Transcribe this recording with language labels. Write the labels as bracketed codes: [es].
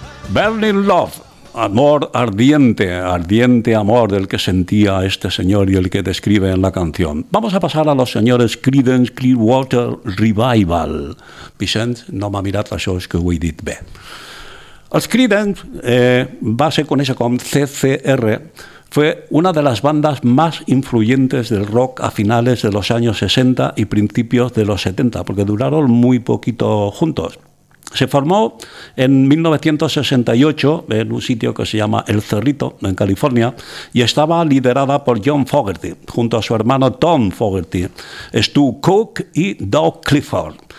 [es] Burning Love, amor ardiente, ardiente amor del que sentía este señor y el que describe en la canción. Vamos a pasar a los señores Creedence Clearwater Revival. [ca] Vicent, no m'ha mirat això, és que ho he dit bé. Els Creedence, va ser conèixer com CCR, [es] fue una de las bandas más influyentes del rock a finales de los años 60 y principios de los 70, porque duraron muy poquito juntos. Se formó en 1968 en un sitio que se llama El Cerrito, en California, y estaba liderada por John Fogerty, junto a su hermano Tom Fogerty, Stu Cook y Doug Clifford.